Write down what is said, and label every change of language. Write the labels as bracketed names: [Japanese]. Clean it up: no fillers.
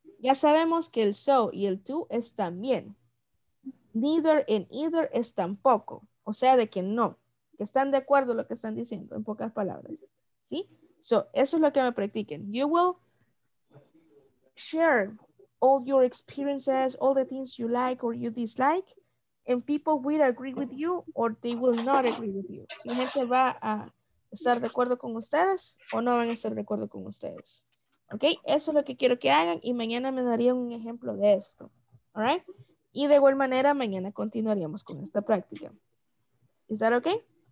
[Spanish] Ya sabemos que el so y el to es también. Neither and either es tampoco. O sea, de que no. Que están de acuerdo lo que están diciendo, en pocas palabras. ¿Sí? So, eso es lo que me practiquen. [English] You will share all your experiences, all the things you like or you dislike, and people will agree with you or they will not agree with you. [Spanish] La gente va a estar de acuerdo con ustedes o no van a estar de acuerdo con ustedes. ¿Ok? Eso es lo que quiero que hagan y mañana me daría un ejemplo de esto. ¿All right? Y de igual manera, mañana continuaríamos con esta práctica. [English] ¿Es that okay?